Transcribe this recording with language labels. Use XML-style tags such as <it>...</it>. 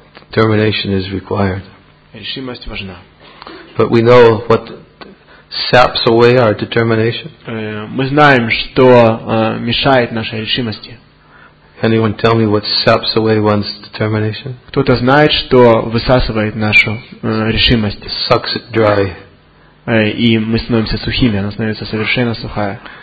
<en>Determination is required.</en> <ru>Решимость важна.</ru> <en>But we know what saps away our determination.</en> <ru>Мы знаем, что мешает нашей решимости.</ru> <en>Anyone tell me what saps away one's determination?</en> <ru>Кто-то знает, что высасывает нашу решимость?</ru> <en>Sucks it dry.</en> <ru>И мы становимся сухими, она становится совершенно сухая.</ru>